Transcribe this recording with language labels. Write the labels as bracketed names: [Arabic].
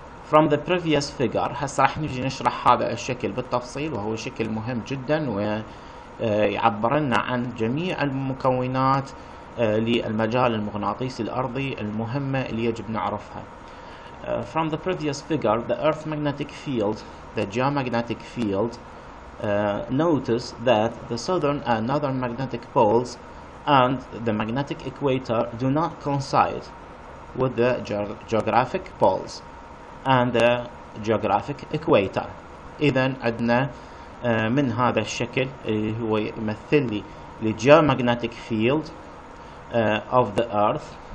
[English] From the previous figure، [Arabic] هسه راح نجي نشرح هذا الشكل بالتفصيل، وهو شكل مهم جدا ويعبر لنا عن جميع المكونات للمجال المغناطيسي الأرضي المهمة اللي يجب نعرفها. [English] From the previous figure, the Earth magnetic field, the geomagnetic field, notice that the southern and northern magnetic poles and the magnetic equator do not coincide with the geographic poles and the geographic equator. [Arabic] إذا عندنا من هذا الشكل اللي هو يمثل لي الجيوماجنتيك فيلد [English] of the earth،